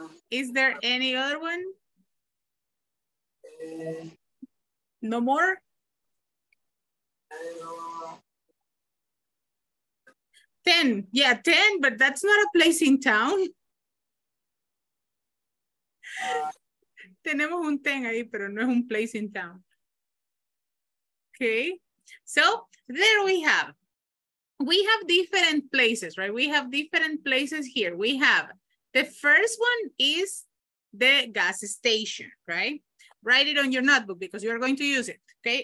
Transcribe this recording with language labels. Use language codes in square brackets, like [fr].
[en] Is there any other one? No more? Ten, yeah, ten, but that's not a place in town. [es] Tenemos un ten ahí, pero no es un [en] place in town. Okay, so there we have different places, right? We have different places here. We have, the first one is the gas station, right? Write it on your notebook because you are going to use it, okay?